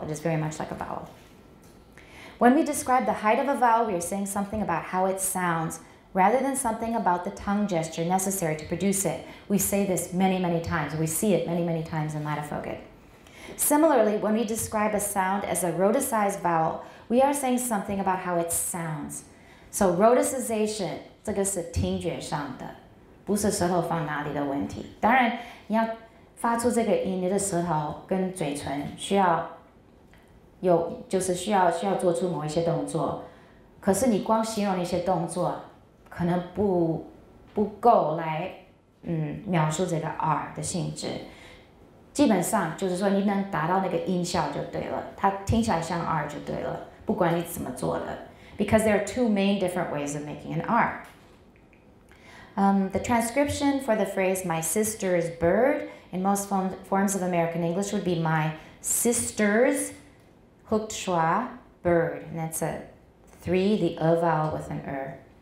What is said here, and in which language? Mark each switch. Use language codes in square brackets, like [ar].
[en] It is very much like a vowel. When we describe the height of a vowel, we are saying something about how it sounds, rather than something about the tongue gesture necessary to produce it. We say this many, many times. We see it many, many times in latifoglot. Similarly, when we describe a sound as a rhoticized vowel, we are saying something about how it sounds. [zh] So rhoticization, 这个是听觉上的。不是舌头放哪里的问题。当然，你要发出这个音，你的舌头跟嘴唇需要做出某一些动作。可是你光形容那些动作，可能不够来描述这个 R 的性质。基本上就是说，你能达到那个音效就对了，它听起来像 R 就对了，不管你怎么做的。 [en] Because there are two main different ways of making an R. The transcription for the phrase my sister's bird in most forms of American English would be my sister's hooked schwa bird, and that's a three, the a vowel with an er.